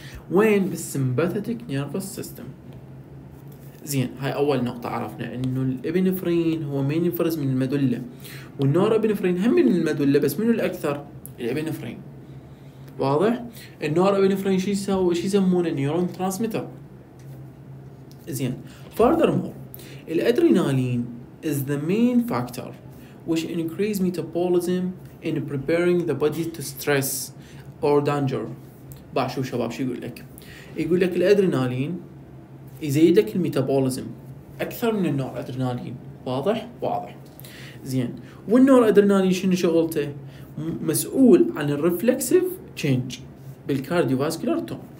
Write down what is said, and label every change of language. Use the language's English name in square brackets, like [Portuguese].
[Arabic] وين؟ بالسمباثيتك نيرفس سيستم. زين هاي اول نقطة عرفنا انه الابينفرين هو مين ينفرز من المدولة، والنور ابينفرين هم من المدولة، بس منو الاكثر؟ الابينفرين. واضح؟ النور ابينفرين شو يسوي؟ شو يسمونه؟ نيورون ترانسميتر. زين فاردر مور، الادرينالين [English] is the main factor which increase metabolism in preparing the body to stress or danger. [Arabic] بعشو شباب شو يقول لك؟ يقول لك الأدرينالين يزيدك الميتابوليزم أكثر من النور أدرينالين. واضح؟ واضح. زين، والنور أدرينالين شنو شغلته؟ مسؤول عن الرفلكسيف تشينج بالكارديو فاسكولار توم.